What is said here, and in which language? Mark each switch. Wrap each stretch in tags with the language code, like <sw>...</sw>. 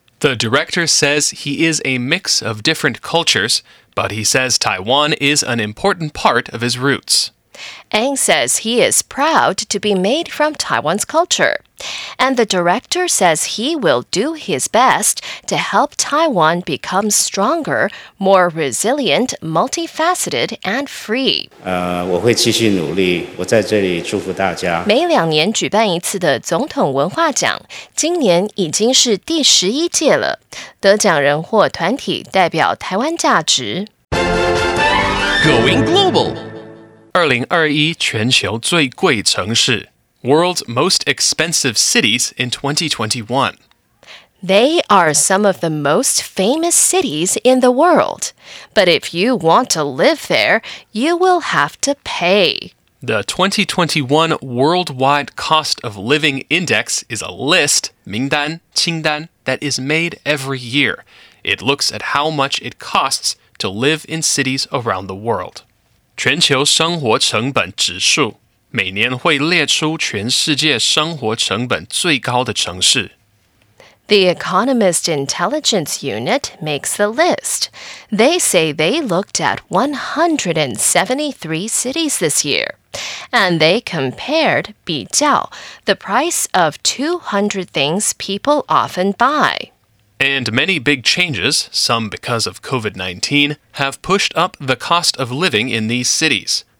<en>The director says he is a mix of different cultures, but he says Taiwan is an important part of his roots. Ang says he is proud to be made from Taiwan's culture. And the director says he will do his best to help Taiwan become stronger, more resilient, multifaceted, and free.</en> <zh>我会继续努力，我在这里祝福大家。每两年举办一次的总统文化奖，今年已经是第十一届了。得奖人或团体代表台湾价值。</zh> <en>Going global!</en> <zh>2021全球最贵城市</zh> <en>World's Most Expensive Cities in 2021. They are some of the most famous cities in the world. But if you want to live there, you will have to pay. The 2021 Worldwide Cost of Living Index is a list,</en> <zh>名单,清单,</zh> <en>that is made every year. It looks at how much it costs to live in cities around the world.</en> <zh>全球生活成本指数每年会列出全世界生活成本最高的城市。</zh> <en>The Economist Intelligence Unit makes the list. They say they looked at 173 cities this year, and they compared,</en> <zh>比较,</zh> <en>the price of 200 things people often buy. And many big changes, some because of COVID-19, have pushed up the cost of living in these cities.</en>